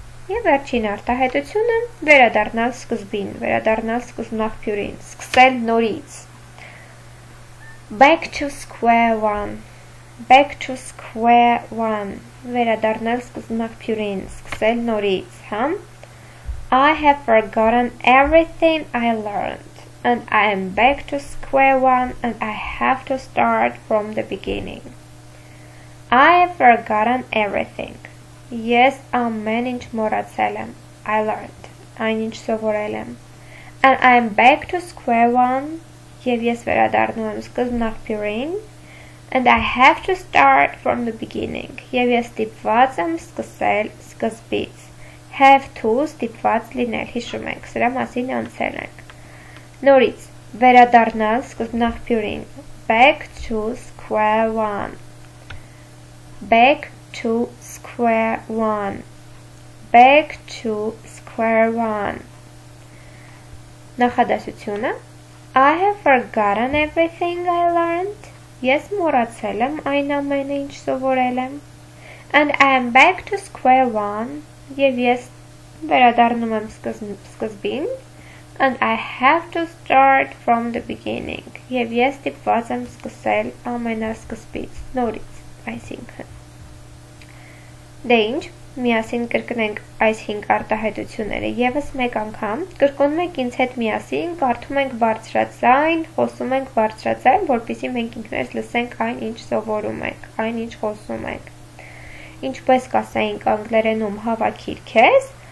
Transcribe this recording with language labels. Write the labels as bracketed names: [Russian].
[Armenian] Եվ վերջին արտահայտությունը, վերադառնալ սկզբին, վերադառնալ սկզբնաղբյուրին, սկսել նորից. [English] Back to square one. Back to square one. [Armenian] Վերադառնալ սկզբնաղբյուրին, սկսել նորից, հա? [English] I have forgotten everything I learned and I am back to square one and I have to start from the beginning. I have forgotten everything. Yes, [Armenian] ամեն ինչ մոռացել եմ. [English] I learned. [Armenian] Այն ինչ սովորել եմ. [English] And I am back to square one. [Armenian] Եվ ես վերադառնում եմ սկզբնաղբյուրին. [English] And I have to start from the beginning. [Armenian] Եվ ես ստիպված եմ սկսել սկզբից. Have to ստիպված լինել, հիշում եք, սրա մասին անցել ենք. Նորից, վերադառնալ սկզբնաղբյուրին. [English] Back to square one. Back to square one. Back to square one. [Armenian] Նախադասությունը. [English] I have forgotten everything I learned. [Armenian] Ես մոռացել եմ այն ամենը, ինչ սովորել եմ. [English] And I am back to square one. [Armenian] Եվ ես վերադառնում եմ սկզբին. [English] And I have to start from the beginning. [Armenian] Եվ ես ստիպված եմ սկսել ամենասկզբից, նորից, այսինքն. Դե ինչ, միասին կրկնենք այս 5 արտահայտությունները եւս մեկ անգամ, կրկնում եք ինձ հետ միասին, կարդում ենք բարձրացայն, խոսում ենք բարձրացայն, որպեսզի մենք ինքներս լսենք այն, ինչ սովորում ենք, այն, ինչ խոսում ենք։ Ինչպես կասենք անգլերենում հավաքիր քեզ,